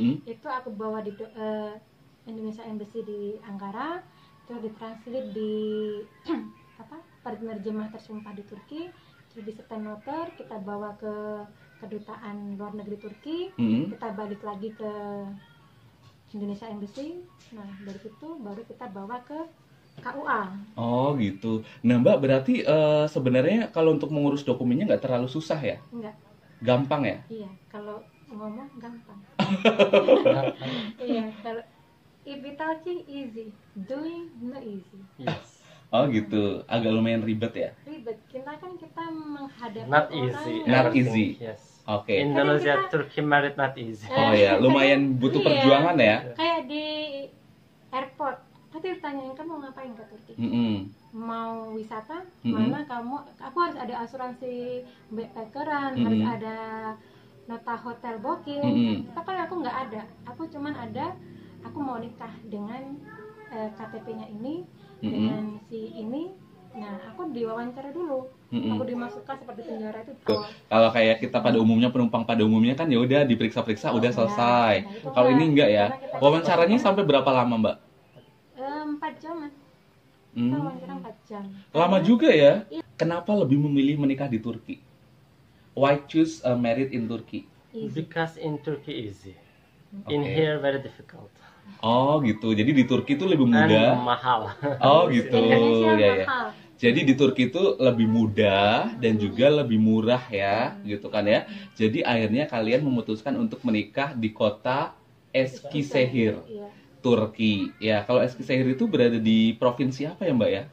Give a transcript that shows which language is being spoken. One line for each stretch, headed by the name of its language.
Indonesian: Itu aku bawa di Indonesia Embassy di Ankara, terus ditranslit di apa, penerjemah tersumpah di Turki, terus di stempel noter, kita bawa ke kedutaan luar negeri Turki, kita balik lagi ke Indonesia Embassy. Nah, dari situ baru kita bawa ke KUA. Oh gitu. Nah Mbak, berarti sebenarnya kalau untuk mengurus dokumennya nggak terlalu susah ya? Nggak. Gampang ya? Iya, kalau ngomong gampang. Iya, kalau
English: if we talking easy, doing not easy. Yes.
Indonesian: Oh gitu, agak lumayan ribet ya? Ribet, kita kan kita menghadapi
English: not easy, orang. Not easy. Yes. Okay. Indonesia, kita, Turki married not easy.
Indonesian: Oh ya, lumayan butuh perjuangan ya? Kayak di airport, tadi ditanyain kan mau ngapain ke Turki? Mau wisata? Mana kamu? Aku harus ada asuransi backpackeran, harus ada nota hotel booking. Tapi aku nggak ada. Aku cuman ada, aku mau nikah dengan KTP-nya ini. Dengan si ini, nah aku diwawancara dulu, aku dimasukkan seperti penjara itu. Tuh, kalau kayak kita pada umumnya, penumpang pada umumnya kan ya udah diperiksa-periksa, udah selesai. Nah, kalau ini enggak ya, wawancaranya sampai berapa lama Mbak? 4 jam. Wawancara 4 jam. Lama juga ya? Kenapa lebih memilih menikah di Turki?
English: Why choose a marriage in Turkey? Because in Turkey easy, in here very difficult.
Indonesian: Oh gitu, jadi di Turki itu lebih mudah. Dan mahal. Oh gitu, ya ya. Jadi di Turki itu lebih mudah dan juga lebih murah ya, gitu kan ya. Jadi akhirnya kalian memutuskan untuk menikah di kota Eskişehir, Turki. Ya, kalau Eskişehir itu berada di provinsi apa ya Mbak ya?